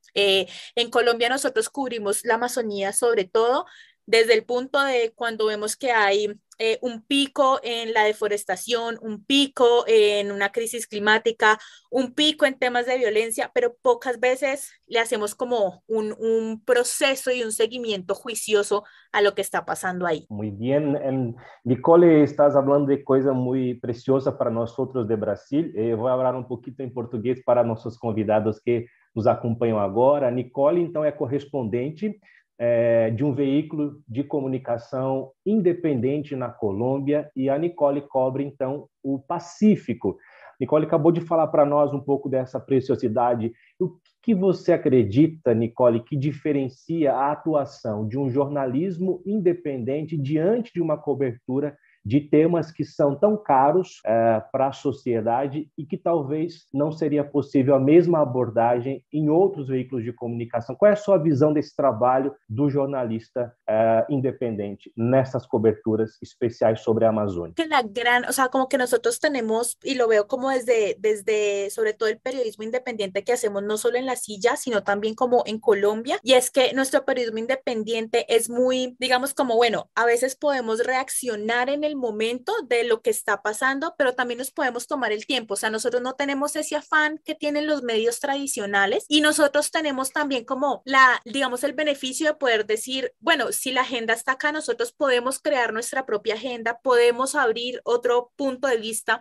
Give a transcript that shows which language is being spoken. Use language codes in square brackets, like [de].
[es] En Colombia nosotros cubrimos la Amazonía sobre todo desde el punto de cuando vemos que hay un pico en la deforestación, un pico en una crisis climática, un pico en temas de violencia, pero pocas veces le hacemos como un proceso y un seguimiento juicioso a lo que está pasando ahí. Muy bien. Nicole, estás hablando de cosas muy preciosas para nosotros de Brasil. Voy a hablar un poquito en portugués para nuestros convidados que nos acompañan ahora. [pt] Nicole, [es] entonces, es correspondiente [pt] de um veículo de comunicação independente na Colômbia, e a Nicole cobre, então, o Pacífico. Nicole acabou de falar para nós um pouco dessa preciosidade. O que você acredita, Nicole, que diferencia a atuação de um jornalismo independente diante de uma cobertura de temas que são tão caros para a sociedade e que talvez não seria possível a mesma abordagem em outros veículos de comunicação? Qual é a sua visão desse trabalho do jornalista independente nessas coberturas especiais sobre a Amazônia? [es] Que na grande, o sea, como que nosotros tenemos, e lo veo como desde sobre todo el periodismo independiente que hacemos no solo en La Silla, sino también como en Colombia, y es que nuestro periodismo independiente es muy, digamos, como bueno, a veces podemos reaccionar en el el momento de lo que está pasando, pero también nos podemos tomar el tiempo. O sea, nosotros no tenemos ese afán que tienen los medios tradicionales y nosotros tenemos también como la, digamos, el beneficio de poder decir, bueno, si la agenda está acá, nosotros podemos crear nuestra propia agenda, podemos abrir otro punto de vista.